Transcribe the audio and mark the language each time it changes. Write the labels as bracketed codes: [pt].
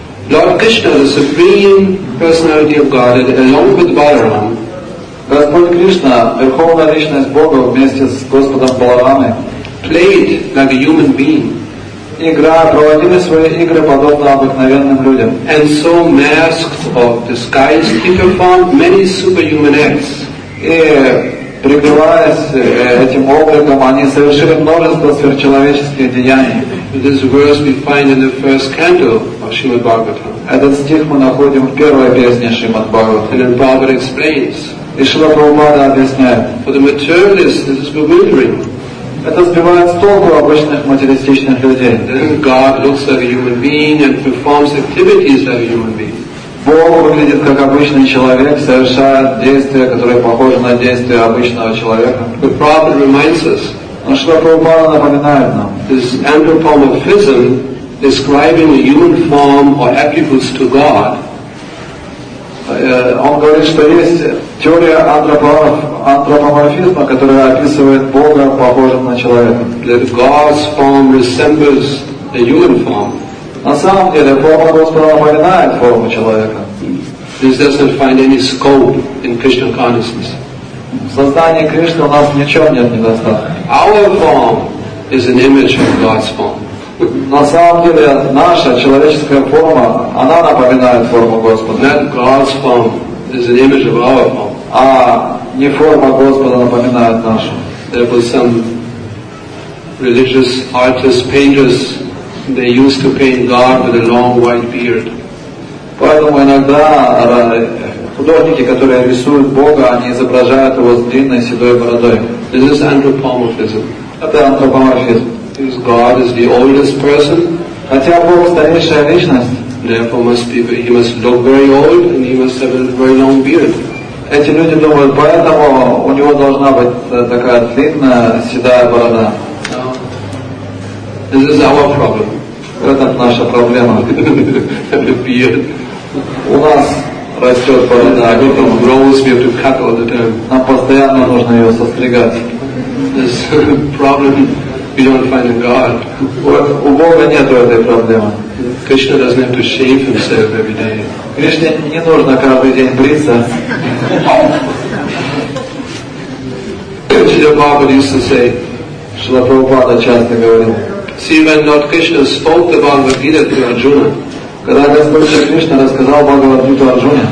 [en] Lord Krishna, the Supreme Personality of Godhead, along with Balaram. [ru] Господь Кришна, Верховная Личность Бога вместе с Господом Баларамой, [en] played like a human being. [ru] Игра, проводили свои игры подобно обыкновенным людям. [en] And so masked or disguised, he performed many superhuman acts. [ru] И прикрываясь этим обликом, они совершили множество сверхчеловеческих деяний. [en] This verse we find in the first canto of Srimad Bhagavatam. [ru] Этот стих мы находим в первой песне Шримад Бхагаватам. [en] And Bhagavat explains. [ru] И Шрила Прабхупада объясняет. [en] For the materialist, this is bewildering. [ru] Это сбивает с толку обычных материалистичных людей. [en] Then God looks like a human being and performs activities like a human being. [ru] Бог выглядит как обычный человек, совершая действия, которые похожи на действия обычного человека. [en] The Prabhupada reminds us. [ru] Но Шрила Прабхупада напоминает нам. [en] This anthropomorphism describing a human form or attributes to God. [ru] Он говорит, что есть теория антропоморфизма, которая описывает Бога похожим на человека. [en] That God's form resembles a human form. [ru] На самом деле, форма Господа напоминает форму человека. [en] This doesn't find any scope in Krishna consciousness. [ru] В сознании Кришны у нас ничего нет недостатка. [en] Our form is an image of God's form. [ru] На самом деле наша человеческая форма, она напоминает форму Господа. [en] Not God's form is an image of our form. [ru] А не форма Господа напоминает нашу. [en] There was some religious artists, painters, they used to paint God with a long white beard. [ru] Поэтому иногда художники, которые рисуют Бога, они изображают его с длинной седой бородой. [en] This is anthropomorphism. [ru] Это антропоморфизм. [en] Because God is the oldest person, [ru] хотя Бог старейшая личность, [en] therefore must be, he must look very old and he must have a very long beard. [ru] Эти люди думают, поэтому у него должна быть такая длинная седая борода. [en] No. This is our problem. [ru] Это наша проблема. [en] The beard. [ru] У нас растет борода. [en] We have to grow, we have to cut all the time. [ru] Нам постоянно нужно ее состригать. [en] This problem. We don't find a God. [ru] У Бога нету этой проблемы. [en] Krishna doesn't have to shave himself every day. [ru] Кришне не нужно каждый день бриться. [en] Srila Prabhupada used to say, [ru] Srila Prabhupada часто говорил, [en] see, when Lord Krishna spoke the Bhagavad Gita to Arjuna, [ru] когда Господь Кришна рассказал Бхагавад Гиту Арджуне,